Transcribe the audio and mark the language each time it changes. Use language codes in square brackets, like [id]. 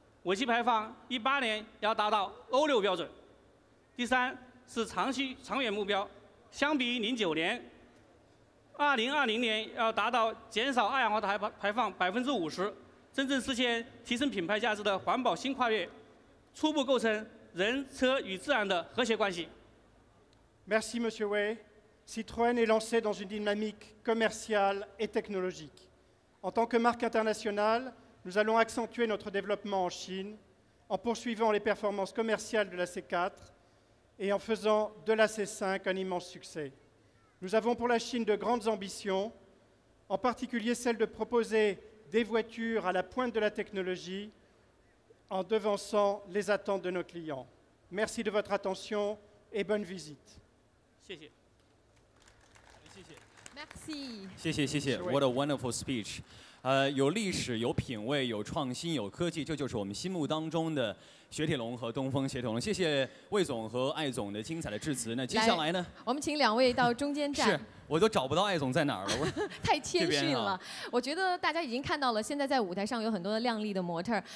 [zh] 尾气排放2018年要达到欧六标准。第三是长期长远目标，相比于2009年，2020年要达到减少二氧化碳排放50%，真正实现提升品牌价值的环保新跨越，初步构成人车与自然的和谐关系。 [fr] Merci, Monsieur Wei. Citroën est lancé dans une dynamique commerciale et technologique. En tant que marque internationale, nous allons accentuer notre développement en Chine en poursuivant les performances commerciales de la C4 et en faisant de la C5 un immense succès. Nous avons pour la Chine de grandes ambitions, en particulier celle de proposer des voitures à la pointe de la technologie en devançant les attentes de nos clients. Merci de votre attention et bonne visite. Merci. [zh] 谢谢谢谢 [en] ，What a wonderful speech！ [zh] 有历史，有品味，有创新，有科技，这就是我们心目当中的雪铁龙和东风雪铁龙。谢谢魏总和艾总的精彩的致辞。那接下来呢？我们请两位到中间站。是，我都找不到艾总在哪儿了。太谦逊了、啊。我觉得大家已经看到了，现在在舞台上有很多的靓丽的模特。